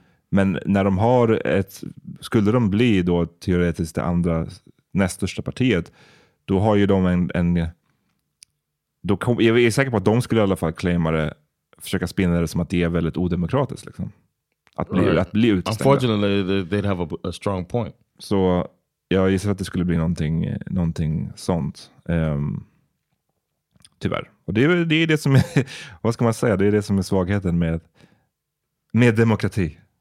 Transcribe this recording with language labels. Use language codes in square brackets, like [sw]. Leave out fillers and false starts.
[sv] Men när de har skulle de bli då teoretiskt det andra näst största partiet, då har ju de jag är säker på att de skulle i alla fall claima det, försöka spinna det som att det är väldigt odemokratiskt liksom. Att bli utstängda. [en] Unfortunately, they'd have a strong point. [sv] Så jag gissar att det skulle bli någonting sånt. Tyvärr. Och det är det som är, vad ska man säga, det är det som är svagheten med demokrati.